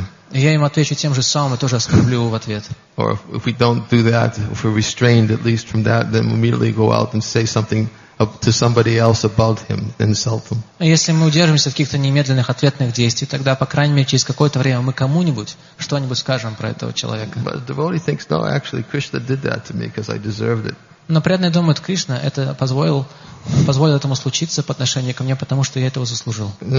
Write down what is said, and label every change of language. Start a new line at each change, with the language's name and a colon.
Russian: Я им отвечу тем же самым и тоже оскорблю его в ответ.
English: Or if we don't do that, if we're restrained at least from that, then we immediately go out and say something to somebody else about him, insult him.
Russian: Если мы удержимся в каких-то немедленных ответных действиях, тогда, по крайней мере, через какое-то время мы кому-нибудь что-нибудь скажем про этого человека.
English: But the devotee thinks, no, actually, Krishna did that to me because I deserved it.
Russian: Но преданный думает, Кришна это позволил этому случиться по отношению ко мне, потому что я этого заслужил.